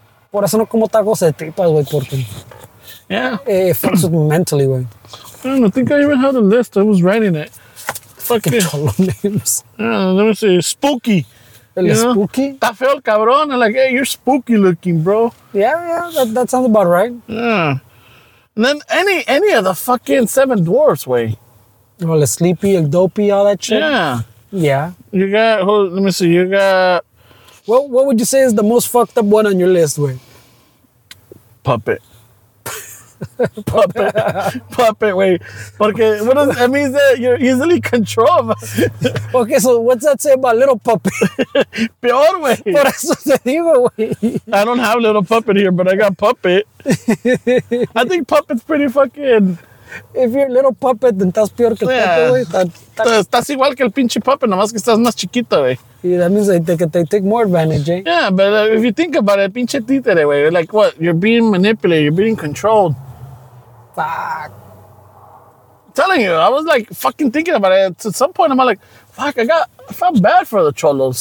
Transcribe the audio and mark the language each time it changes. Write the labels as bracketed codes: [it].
[es] Por eso no como tacos de tripas, güey, porque... [en] Yeah. It fucks with me mentally, güey. I don't think I even had a list. I was writing it. Fucking cholo names. Let me see. Spooky. [es] El spooky? Está feo el cabrón. [en] I'm like, hey, you're spooky looking, bro. Yeah, that sounds about right. Yeah. And then any of the fucking seven dwarfs, güey. Well, the sleepy, el dopey, all that shit? Yeah. Yeah. You got... Hold, let me see. You got... What would you say is the most fucked up one on your list, Wayne? Puppet. Puppet. Puppet, Wayne. Porque, what does that mean? That you're easily controlled. Okay, so what's that say about little puppet? [es] Peor, way. Por eso te digo, way. [en] I don't have little puppet here, but I got puppet. I think puppet's pretty fucking... If you're a little puppet, then [es] estás peor que el puppet, güey. Estás igual que el pinche puppet, nomás que estás más chiquito, güey. [en] Yeah, that means they take more advantage, eh? Yeah, but if you think about it, [es] pinche títere, [en] güey. Like, what? You're being manipulated. You're being controlled. Fuck. Telling you, I was, like, fucking thinking about it. At some point, I'm like, fuck, I felt bad for the cholos.